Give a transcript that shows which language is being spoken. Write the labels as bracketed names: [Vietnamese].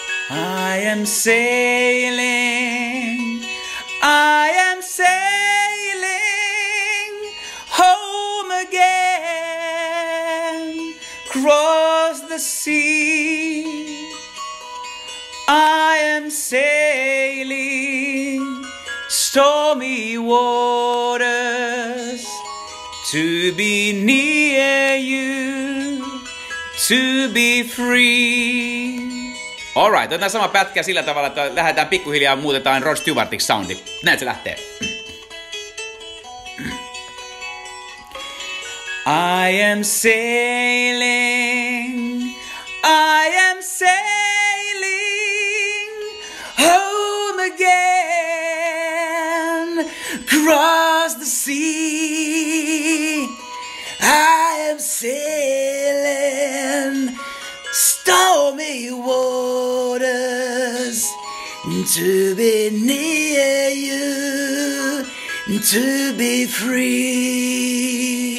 [English] I am sailing, I am sailing home again, cross the sea. I am sailing stormy waters to be near you, to be free. [Finnish] Alright, otetaan sama pätkä sillä tavalla, että lähdetään pikkuhiljaa muutetaan Rod Stewartiksi soundi. Näin se lähtee. [English] I am sailing, I am sailing home again, cross the sea, I am sailing stormy waters to be near you, to be free.